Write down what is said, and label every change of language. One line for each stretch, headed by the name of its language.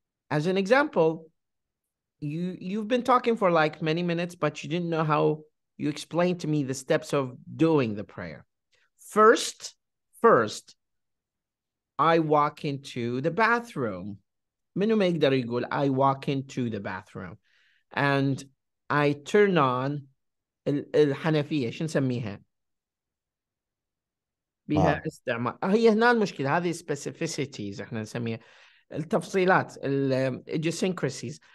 English: As an example, you've been talking for like many minutes, but you didn't know how you explained to me the steps of doing the prayer. First, I walk into the bathroom.
Arabic: منو ما يقدر يقول,
English: I walk into the bathroom. And I turn on
Arabic: الحنفية, شو نسميها؟ بها استعمال. هي هنا المشكلة, هذه specificities احنا نسميها. التفصيلات, idiosyncrasies.